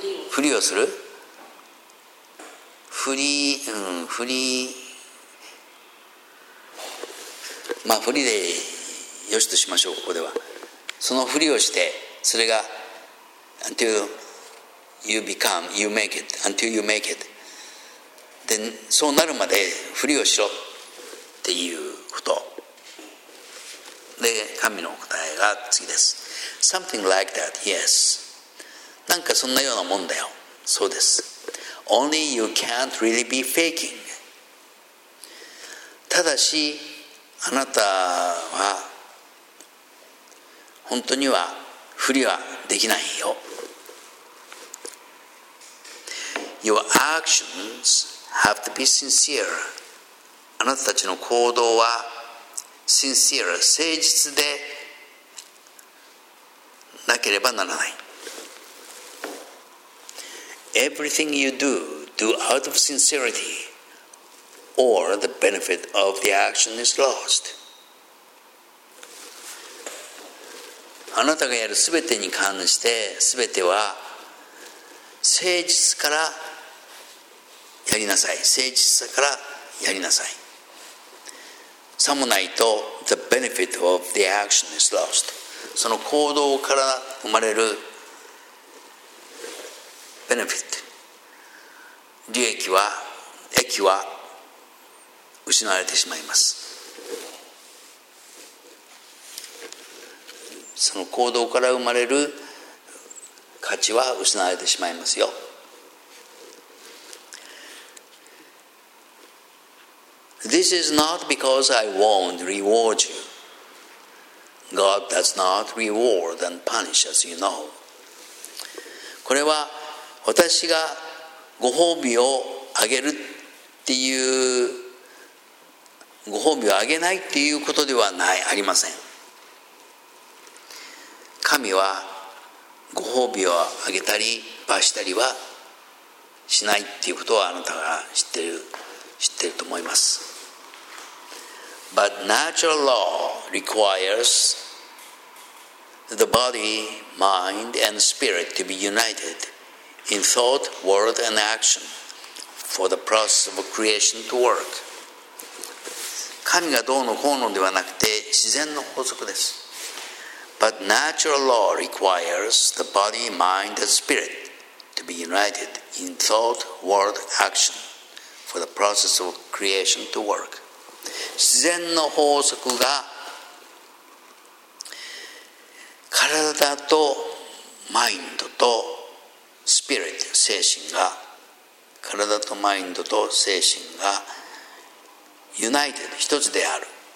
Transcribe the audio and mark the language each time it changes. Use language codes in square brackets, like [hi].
[ja] ふりをする、ふりをする、ふり、まあふりでよしとしましょう。ここではそのふりをして、それが [en] until you become, you make it, until you make it. [ja] で、そうなるまでふりをしろっていうこと。で、神の答えが次です。 [en] Something like that, yes. [ja] なんかそんなようなもんだよ。そうです。 [en] Only you can't really be faking. [ja] ただし、あなたは本当にはふりはできないよ。 [en] Your actions have to be sincere. [ja] あなたたちの行動は sincere、誠実でなければならない。 [en] Everything you do, do out of sincerity, or the benefit of the action is lost. [ja] あなたがやるすべてに関して、すべては誠実からやりなさい。誠実さからやりなさい。さもないと、 [en] the benefit of the action is lost. [ja] その行動から生まれる benefit、利益は、益は失われてしまいます。その行動から生まれる価値は失われてしまいますよ。 [en] This is not because I won't reward you. God does not reward and punish, as you know. [ja] これは私がご褒美をあげるっていう、ご褒美をあげないっていうことではない、ありません。神はご褒美をあげたり罰したりはしないっていうことはあなたが知ってると思います。 [en] But natural law requires the body, mind, and spirit to be united in thought, word, and action for the process of creation to work. [ja] 神がどうのこうのではなくて自然の法則です。 [en] But natural law requires the body, mind, and spirit to be united in thought, word, action for the process of creation to work. [ja] 自然の法則が体とマインドとスピリット精神が体とマインドと精神がユナイテッド一つである